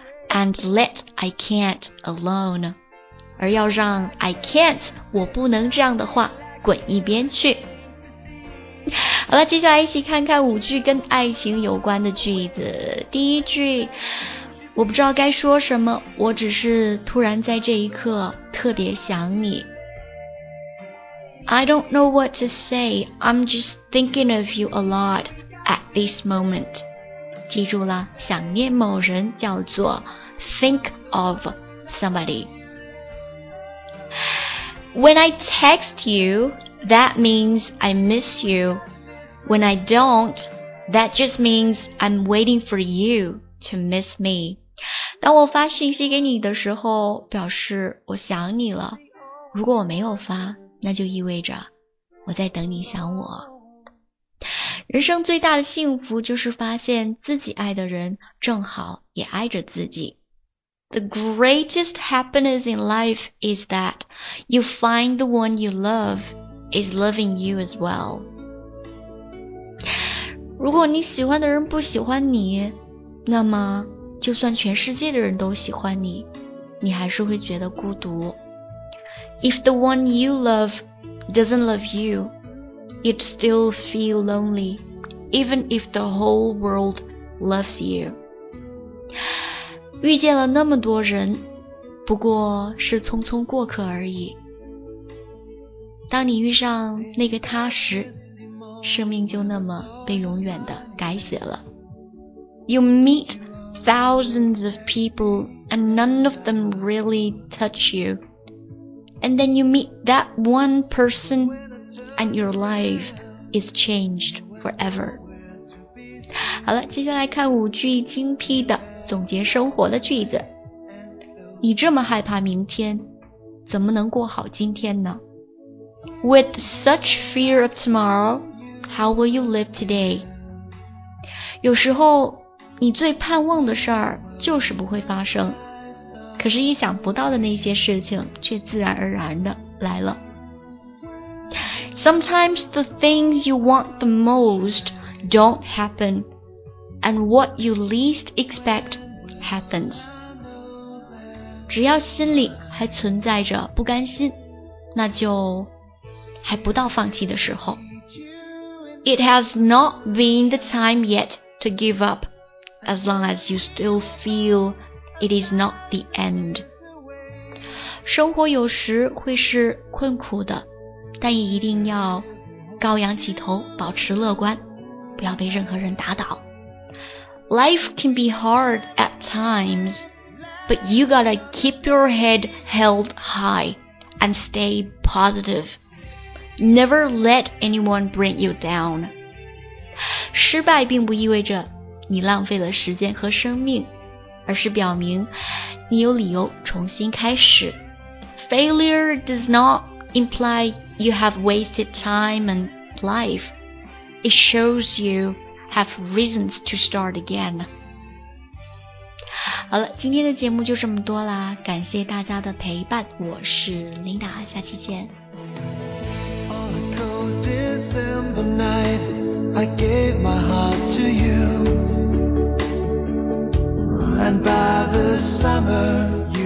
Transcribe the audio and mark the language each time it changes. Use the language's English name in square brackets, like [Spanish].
[English] And let I can't alone. [Chinese] 而要让 [English] I can't, [Chinese] 我不能这样的话，滚一边去。好了，接下来一起看看五句跟爱情有关的句子。第一句，我不知道该说什么，我只是突然在这一刻特别想你。 [English] I don't know what to say. I'm just thinking of you a lot at this moment. [Chinese] 记住了，想念某人叫做 [English] think of somebody. When I text you, that means I miss you. When I don't, that just means I'm waiting for you to miss me. [Chinese] 当我发信息给你的时候，表示我想你了。如果我没有发，那就意味着我在等你想我。人生最大的幸福就是发现自己爱的人正好也爱着自己。 [English] The greatest happiness in life is that you find the one you love is loving you as well. [Chinese] 如果你喜欢的人不喜欢你，那么就算全世界的人都喜欢你，你还是会觉得孤独。 [English] If the one you love doesn't love you, you'd still feel lonely, even if the whole world loves you. [Chinese] 遇见了那么多人，不过是匆匆过客而已。当你遇上那个他时，生命就那么被永远的改写了。 [English] You meet thousands of people and none of them really touch you. And then you meet that one person and your life is changed forever. [Chinese] 好了，接下来看五句精辟的总结生活的句子。你这么害怕明天，怎么能过好今天呢？ [English] With such fear of tomorrow, how will you live today? [Chinese] 有时候你最盼望的事儿就是不会发生，可是意想不到的那些事情却自然而然的来了。 [English] Sometimes the things you want the most don't happen, and what you least expect happens. [Chinese] 只要心里还存在着不甘心，那就还不到放弃的时候。 [English] It has not been the time yet to give up, as long as you still feel it is not the end. [Chinese] 生活有时会是困苦的，但也一定要高扬起头，保持乐观，不要被任何人打倒。 [English] Life can be hard at times, but you gotta keep your head held high and stay positive. Never let anyone bring you down. [Chinese] 失败并不意味着你浪费了时间和生命，而是表明你有理由重新开始。 [English] Failure does not imply you have wasted time and life. It shows you have reasons to start again. [Chinese] 好了，今天的节目就这么多啦，感谢大家的陪伴，我是琳达，下期见。 [English] On a cold December night, I gave my heart to you. And by the summer